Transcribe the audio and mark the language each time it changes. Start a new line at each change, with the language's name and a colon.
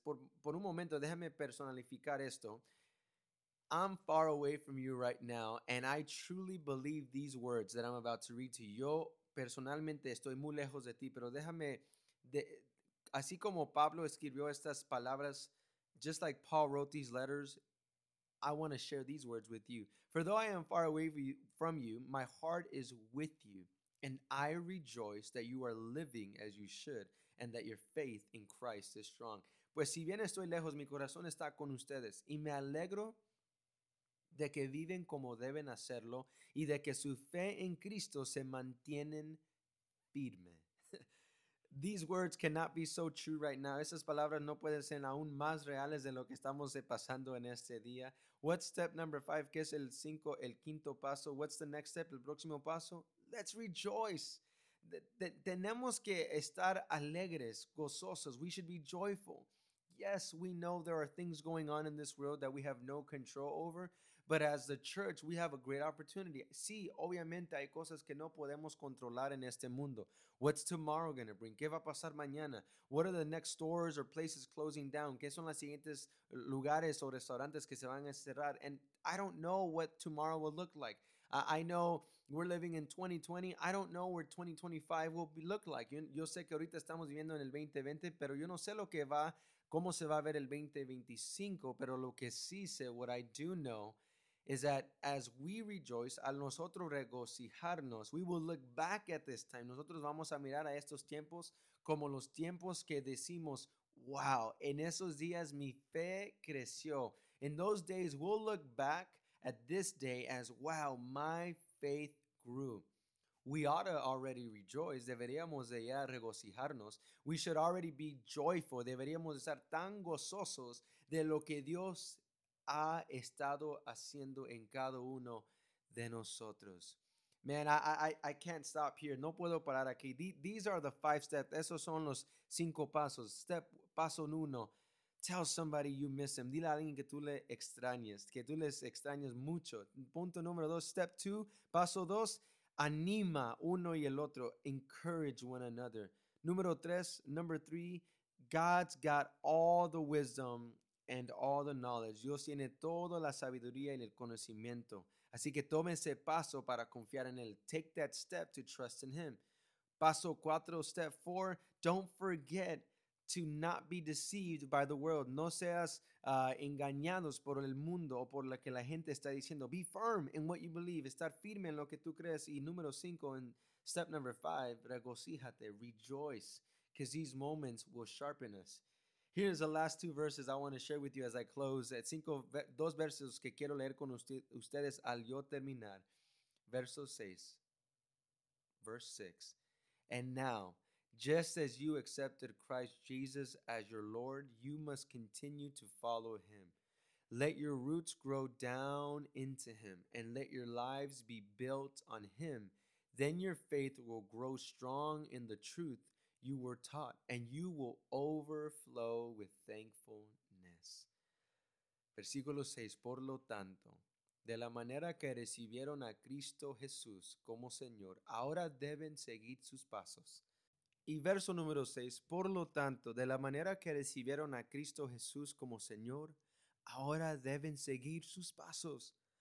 Spanish: Por un momento, déjame personalificar esto.
English: I'm far away from you right now, and I truly believe these words that I'm about to read to you.
Spanish: Yo personalmente estoy muy lejos de ti, pero déjame, así como Pablo escribió estas palabras,
English: just like Paul wrote these letters, I want to share these words with you. For though I am far away from you, my heart is with you, and I rejoice that you are living as you should, and that your faith in Christ is strong.
Spanish: Pues si bien estoy lejos, mi corazón está con ustedes, y me alegro de que viven como deben hacerlo, y de que su fe en Cristo se mantienen firme.
English: These words cannot be so true right now.
Spanish: Esas palabras no pueden ser aún más reales de lo que estamos pasando en este día.
English: What's step number 5?
Spanish: ¿Qué es el 5, el quinto paso?
English: What's the next step,
Spanish: el próximo paso?
English: Let's rejoice.
Spanish: Tenemos que estar alegres, gozosos.
English: We should be joyful. Yes, we know there are things going on in this world that we have no control over. But as the church, we have a great opportunity.
Spanish: Sí, obviamente hay cosas que no podemos controlar en este mundo.
English: What's tomorrow going to bring?
Spanish: ¿Qué va a pasar mañana?
English: What are the next stores or places closing down?
Spanish: ¿Qué son los siguientes lugares o restaurantes que se van a cerrar?
English: And I don't know what tomorrow will look like. I know we're living in 2020. I don't know where 2025 will look like.
Spanish: Yo sé que ahorita estamos viviendo en el 2020, pero yo no sé lo que va cómo se va a ver el 2025, pero lo que sí sé,
English: what I do know, is that as we rejoice,
Spanish: al nosotros regocijarnos,
English: we will look back at this time.
Spanish: Nosotros vamos a mirar a estos tiempos como los tiempos que decimos, wow, en esos días mi fe creció.
English: In those days, we'll look back at this day as, wow, my faith grew. We ought to already rejoice,
Spanish: deberíamos de ya regocijarnos.
English: We should already be joyful,
Spanish: deberíamos estar tan gozosos de lo que Dios ha estado haciendo en cada uno de nosotros.
English: Man, I can't stop here.
Spanish: No puedo parar aquí.
English: These are the five steps.
Spanish: Esos son los cinco pasos. Paso uno.
English: Tell somebody you miss them.
Spanish: Dile a alguien que tú le extrañes. Que tú les extrañes mucho. Punto número dos.
English: Step two.
Spanish: Paso dos. Anima uno y el otro.
English: Encourage one another.
Spanish: Número tres.
English: Number three. God's got all the wisdom and all the knowledge.
Spanish: Dios tiene toda la sabiduría y el conocimiento. Así que tome ese paso para confiar en él.
English: Take that step to trust in him.
Spanish: Paso cuatro,
English: step four. Don't forget to not be deceived by the world.
Spanish: No seas engañados por el mundo o por lo que la gente está diciendo.
English: Be firm in what you believe.
Spanish: Estar firme en lo que tú crees. Y número cinco, en
English: step number five,
Spanish: regocíjate,
English: rejoice, because these moments will sharpen us. Here's the last two verses I want to share with you as I close.
Spanish: At cinco, dos versos que quiero leer con ustedes al yo terminar. Verso 6.
English: Verse 6. And now, just as you accepted Christ Jesus as your Lord, you must continue to follow him. Let your roots grow down into him and let your lives be built on him. Then your faith will grow strong in the truth you were taught, and you will overflow with thankfulness.
Spanish: Versículo 6. Por lo tanto, de la manera que recibieron a Cristo Jesús como Señor, ahora deben seguir sus pasos. Y verso número 6. Por lo tanto, de la manera que recibieron a Cristo Jesús como Señor, ahora deben seguir sus pasos.